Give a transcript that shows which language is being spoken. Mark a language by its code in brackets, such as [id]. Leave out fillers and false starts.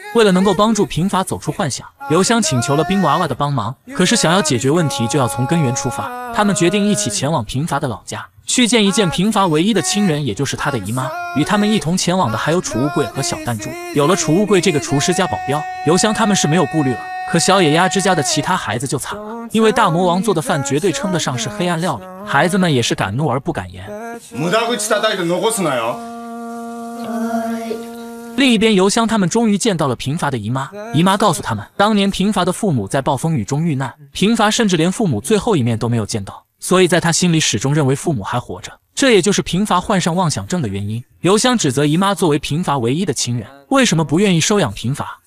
[zh] 为了能够帮助平伐走出幻想，邮箱请求了冰娃娃的帮忙，可是想要解决问题就要从根源出发，他们决定一起前往平伐的老家，去见一见平伐唯一的亲人，也就是他的姨妈。与他们一同前往的还有储物柜和小弹珠。有了储物柜这个厨师加保镖，邮箱他们是没有顾虑了，可小野鸭之家的其他孩子就惨了，因为大魔王做的饭绝对称得上是黑暗料理，孩子们也是敢怒而不敢言。 [ja] 無駄口叩いて残すなよ。 [zh] 另一边，邮箱他们终于见到了平伐的姨妈。姨妈告诉他们，当年平伐的父母在暴风雨中遇难，平伐甚至连父母最后一面都没有见到，所以在他心里始终认为父母还活着，这也就是平伐患上妄想症的原因。邮箱指责姨妈作为平伐唯一的亲人，为什么不愿意收养平伐？